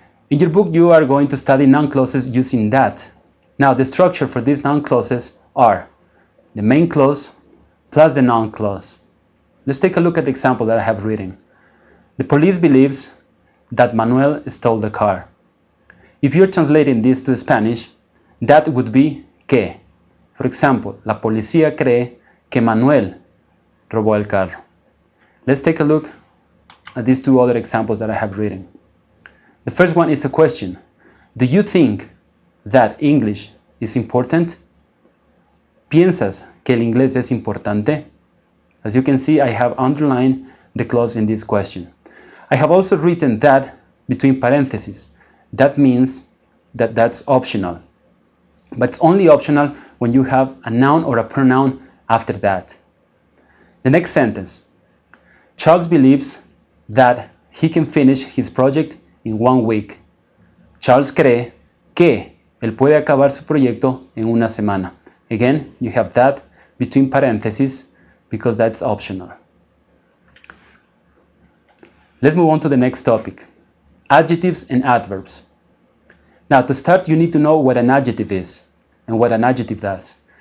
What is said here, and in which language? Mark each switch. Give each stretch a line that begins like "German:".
English: In your book, you are going to study noun clauses using that. Now, the structure for these noun clauses are the main clause plus the noun clause. Let's take a look at the example that I have written. The police believes that Manuel stole the car. If you're translating this to Spanish, that would be que.
Spanish: For example, la policía cree que Manuel robó el carro.
English: Let's take a look at these two other examples that I have written. The first one is a question. Do you think that English is important?
Spanish: ¿Piensas que el inglés es importante?
English: As you can see, I have underlined the clause in this question. I have also written that between parentheses. That means that that's optional. But it's only optional when you have a noun or a pronoun after that. The next sentence. Charles believes that he can finish his project in 1 week.
Spanish: Charles cree que él puede acabar su proyecto en una semana.
English: Again, you have that between parentheses because that's optional. Let's move on to the next topic, adjectives and adverbs. Now, to start, you need to know what an adjective is and what an adjective does.